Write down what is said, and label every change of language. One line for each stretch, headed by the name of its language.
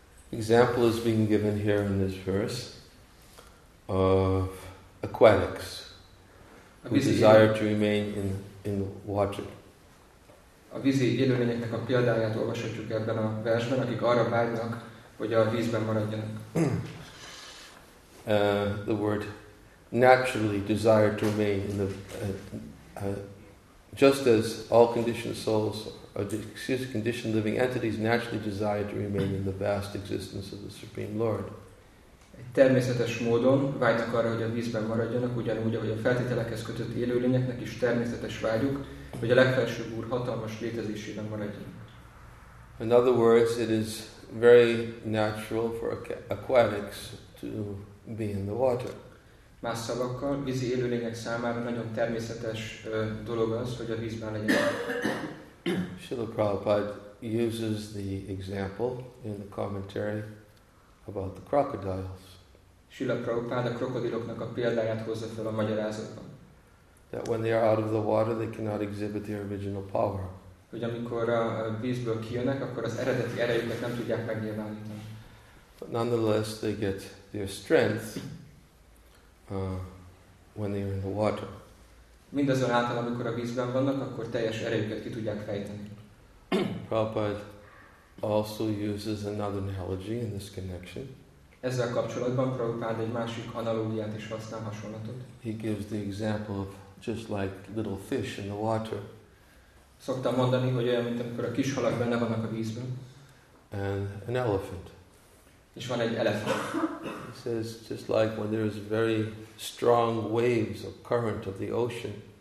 English: Example is being given here in this verse of aquatics who desire to remain in water.
Hungarian: A vízi élőlényeknek a példáját olvashatjuk ebben a versben, akik arra vágynak, hogy a vízben maradjanak.
English: The word naturally desire to remain in the just as all conditioned souls, conditioned living entities naturally desire to remain in the vast existence of the Supreme Lord.
Hungarian: Természetes módon vágynak arra, hogy a vízben maradjanak, ugyanúgy, ahogy a feltételekhez kötött élőlényeknek is természetes vágyuk, hogy a legfelsőbb úr hatalmas létezésében maradjanak.
English: In other words, it is very natural for aquatics to be in the water.
Hungarian: Más szavakkal, vízi élőlények számára nagyon természetes dolog az, hogy a vízben legyenek.
English: Srila Prabhupada uses the example in the commentary about the crocodiles.
Hungarian: Srila Prabhupada a krokodiloknak a példáját hozza fel a magyarázatban.
English: That when they are out of the water, they cannot exhibit their original power.
Hungarian: Hogy amikor a vízből kijönnek, akkor az eredeti erejüket nem tudják megnyilvánítani.
English: But nonetheless, they get their strength when they are in the water.
Hungarian: Mindazonáltal, amikor a vízben vannak, akkor teljes erejüket ki tudják fejteni.
English: Prabhupada also uses another analogy in this connection.
Hungarian: Ezzel kapcsolatban Prabhupada egy másik analógiát is használ, hasonlatot.
English: He gives the example of just like little fish in the water.
Hungarian: Szoktam mondani, hogy olyan, mint amikor a kis halak benne vannak a vízben.
English: And an elephant.
Hungarian: És van egy elefánt.
English: He says, just like when there is very strong waves of current of the ocean.